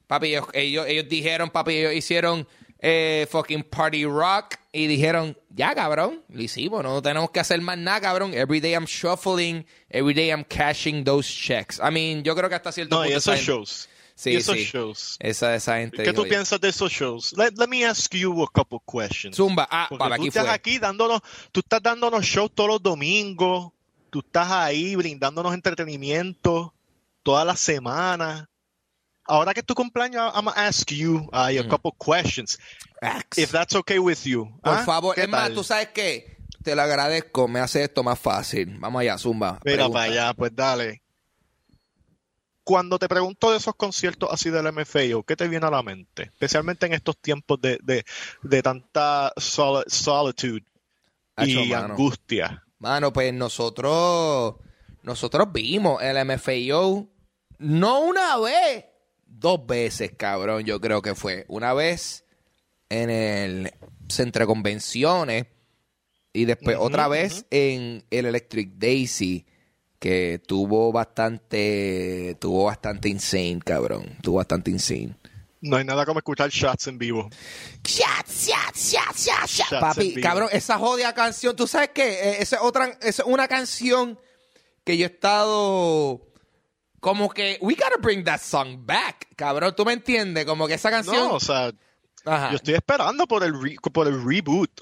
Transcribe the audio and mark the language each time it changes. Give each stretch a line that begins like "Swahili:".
Spanish: Papi, ellos dijeron, papi, ellos hicieron fucking party rock y dijeron, ya, cabrón, lo hicimos. No tenemos que hacer más nada, cabrón.
English: Every day I'm shuffling. Every day I'm cashing those checks. I mean,
Spanish: yo creo que hasta cierto punto... No, y esos shows... Sí, y esos sí. shows. Esa gente. ¿Qué tú piensas de esos shows?
English: Let me ask you a couple questions.
Spanish: Zumba. Ah, para aquí estás fue. Aquí dándonos, tú estás dándonos shows todos los domingos. Tú estás ahí brindándonos entretenimiento toda la semana. Ahora que es tu cumpleaños,
English: I'm going to ask you a couple questions. If that's okay with you.
Spanish: Por ¿Ah? Favor. Es más, tú sabes que te lo agradezco. Me hace esto más fácil. Vamos allá, Zumba. Mira, para allá, pues dale. Cuando te pregunto de esos conciertos así del MFAO, ¿qué te viene a la mente? Especialmente en estos tiempos de tanta solitude y angustia. Mano, pues nosotros vimos el MFAO no una vez, dos veces, cabrón, yo creo que fue. Una vez en el Centro de Convenciones y después otra vez en el Electric Daisy. Que tuvo bastante insane, cabrón. Tuvo bastante insane. No hay nada como escuchar shots en vivo.
English: Shots, shots, shots, shots, shots.
Spanish: Papi, cabrón, esa jodida canción. ¿Tú sabes qué? Esa es una canción que yo he estado... Como que,
English: we gotta bring that song back,
Spanish: cabrón. ¿Tú me entiendes? Como que esa canción... No, o sea, ajá, yo estoy esperando por el reboot.